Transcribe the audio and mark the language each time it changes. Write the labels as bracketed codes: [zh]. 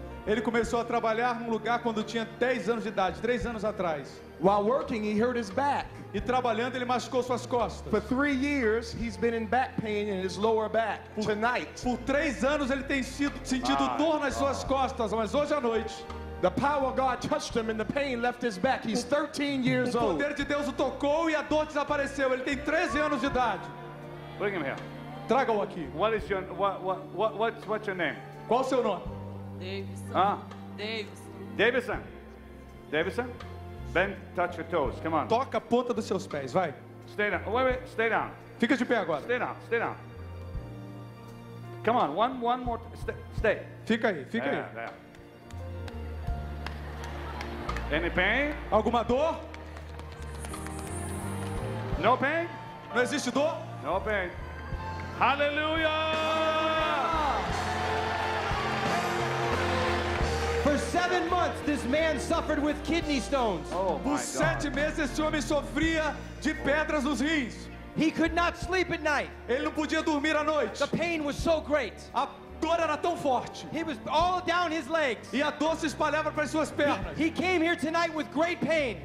[pt] Ele começou a trabalhar num lugar quando tinha 10 anos de idade, 3 anos atrás. [en] While working, he hurt his back. [pt] E trabalhando, ele machucou suas costas. [en] For 3 years, he's been in back pain in his lower back. Tonight. [pt] Por 3 anos, ele tem sentido dor nas suas costas, mas hoje à noite. [en] The power of God touched him and the pain left his back. He's 13 years old. [pt] O poder de Deus o tocou e a dor desapareceu. Ele tem 13 anos de idade. [en] Bring him here. [pt] Traga-o aqui. [en] What is your what's your name? [pt] Qual o seu nome? [en] Davidson. Davidson. Bend, touch your toes. Come on. [pt] Toca a ponta dos seus pés, vai. [en] Stay down. Wait, wait, stay down. [pt] Fica de pé agora. [en] Stay down. Stay down. Come on, one more. Stay. [pt] Fica aí, fica aí. [en] Any pain? [pt] Alguma dor? [en] No pain? [pt] Não existe dor? [en] No pain. Hallelujah! For 7 months, this man suffered with kidney stones. Oh, [pt] por sete meses, esse homem sofria de pedras nos rins. [en] He could not sleep at night. [pt] Ele não podia dormir à noite. [en] The pain was so great. [pt] A dor era tão forte. [en] He was all down his legs. [pt] E a dor se espalhava para as suas pernas. [en] He came here tonight with great pain.